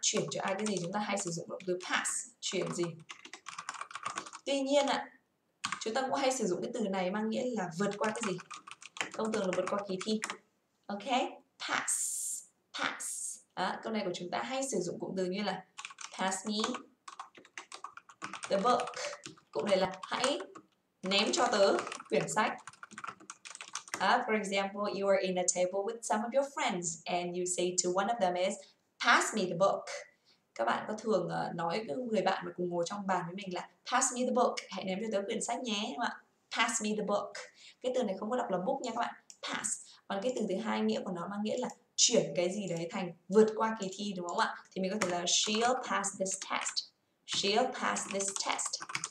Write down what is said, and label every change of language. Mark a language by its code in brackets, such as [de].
[vi] Chuyển cho ai cái gì, chúng ta hay sử dụng động từ pass, chuyển gì. Tuy nhiên ạ, chúng ta cũng hay sử dụng cái từ này mang nghĩa là vượt qua cái gì. Thông thường là vượt qua kỳ thi. Ok, pass. Đó, câu này của chúng ta hay sử dụng cụm từ như là pass me the book. Cụm này là hãy ném cho tớ quyển sách. [en] For example, you are in a table with some of your friends and you say to one of them is, pass me the book. [vi] Các bạn có thường nói với người bạn mà cùng ngồi trong bàn với mình là pass me the book, hãy ném cho tớ quyển sách nhé, đúng không ạ? Pass me the book. Cái từ này không có đọc là book nha các bạn, pass. Còn cái từ thứ hai nghĩa của nó mang nghĩa là chuyển cái gì đấy thành vượt qua kỳ thi, đúng không ạ? [en] Thì mình có thể là she'll pass this test. She'll pass this test.